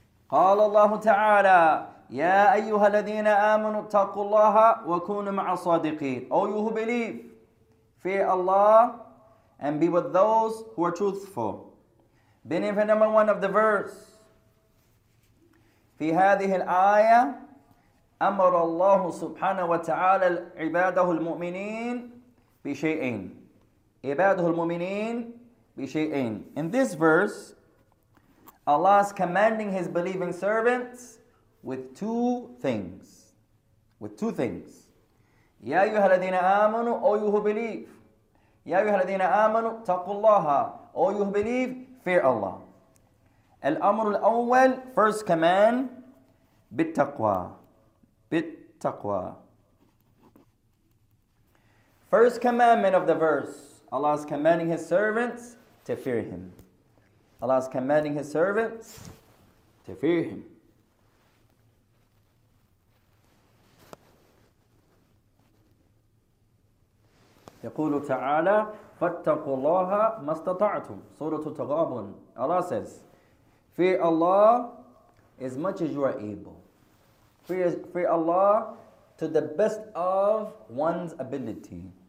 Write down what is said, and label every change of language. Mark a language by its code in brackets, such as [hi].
[ar] قال الله تعالى يا أيها الذين آمنوا اتقوا الله وكونوا مع الصادقين. [en] O you who believe, fear Allah and be with those who are truthful. Benefit number one of the verse. [ar] في هذه الآية أمر الله سبحانه وتعالى عباده المؤمنين بشيئين. عباده المؤمنين بشيئين. [en] In this verse, Allah is commanding His believing servants with two things. With two things. [ar] يَا أَيُّهَا الَّذِينَ آمَنُوا [en] O you who believe. [ar] يَا أَيُّهَا الَّذِينَ آمَنُوا تَقُوا اللَّهَ [en] O you who believe, fear Allah. [ar] الأمر الأول, [en] first command, [ar] بِالتَّقْوَى. بِالتَّقْوَى. [en] First commandment of the verse, Allah is commanding His servants to fear Him. Allah is commanding His servants to fear Him. [ar] يقول تعالى فاتقوا الله ما استطعتم. سورة التغابن. [en] Allah says, fear Allah as much as you are able. Fear Allah to the best of one's ability.